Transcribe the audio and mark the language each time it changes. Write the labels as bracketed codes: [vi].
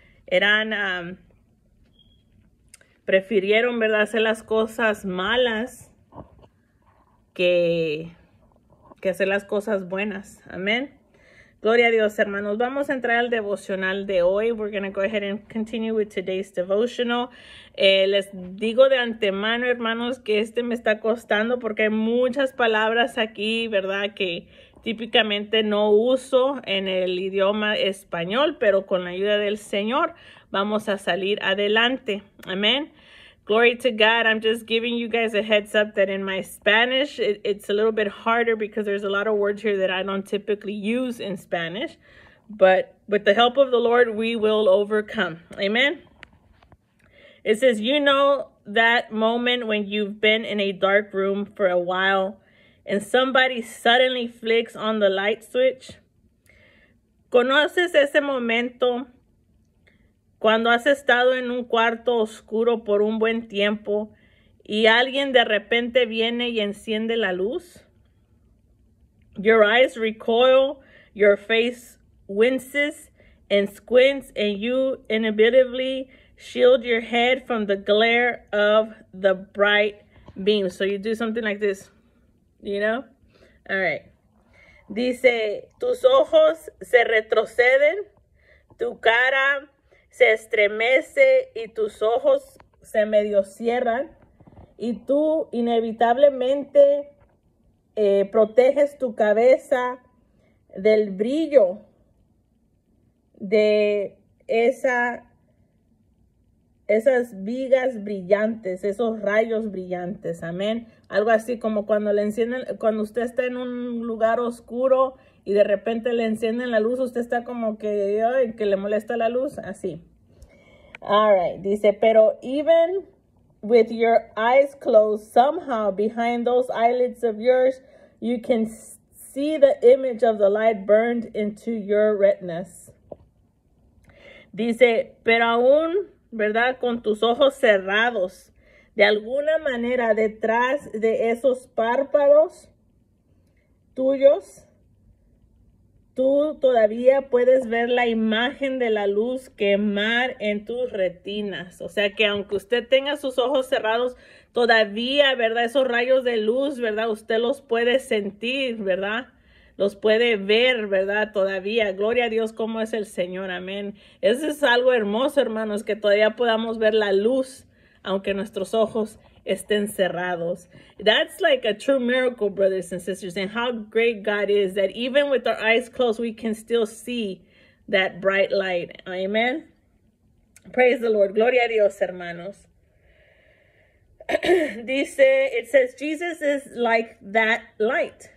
[es] Eran, prefirieron, ¿verdad?, hacer las cosas malas que hacer las cosas buenas. Amen. Gloria a Dios, hermanos. Vamos a entrar al devocional de hoy. [en] We're going to go ahead and continue with today's devotional. [es] Les digo de antemano, hermanos, que este me está costando porque hay muchas palabras aquí, ¿verdad?, que típicamente no uso en el idioma español, pero con la ayuda del Señor vamos a salir adelante. [en] Amen. Glory to God. I'm just giving you guys a heads up that in my Spanish, it's a little bit harder because there's a lot of words here that I don't typically use in Spanish. But with the help of the Lord, we will overcome. Amen. It says, you know that moment when you've been in a dark room for a while and somebody suddenly flicks on the light switch? ¿Conoces ese momento cuando has estado en un cuarto oscuro por un buen tiempo y alguien de repente viene y enciende la luz? Your eyes recoil, your face winces and squints, and you inevitably shield your head from the glare of the bright beam. So you do something like this, you know? All right. [es] Dice, tus ojos se retroceden, tu cara se estremece y tus ojos se medio cierran y tú inevitablemente proteges tu cabeza del brillo de esas vigas brillantes, esos rayos brillantes, amén. Algo así como cuando le encienden, cuando usted está en un lugar oscuro y de repente le encienden la luz, usted está como que, ay, que le molesta la luz, así. [en] All right, [es] dice, pero [en] even with your eyes closed, somehow behind those eyelids of yours, you can see the image of the light burned into your retinas. [es] Dice, pero aún, ¿verdad? Con tus ojos cerrados, de alguna manera detrás de esos párpados tuyos, tú todavía puedes ver la imagen de la luz quemar en tus retinas. O sea que aunque usted tenga sus ojos cerrados, todavía, ¿verdad? Esos rayos de luz, ¿verdad? Usted los puede sentir, ¿verdad? Los puede ver, ¿verdad? Todavía. Gloria a Dios, cómo es el Señor. Amén. Eso es algo hermoso, hermanos, que todavía podamos ver la luz, aunque nuestros ojos estén cerrados. [en] That's like a true miracle, brothers and sisters, and how great God is that even with our eyes closed, we can still see that bright light. Amen. Praise the Lord. [es] Gloria a Dios, hermanos. Dice, [en] it says, Jesus is like that light.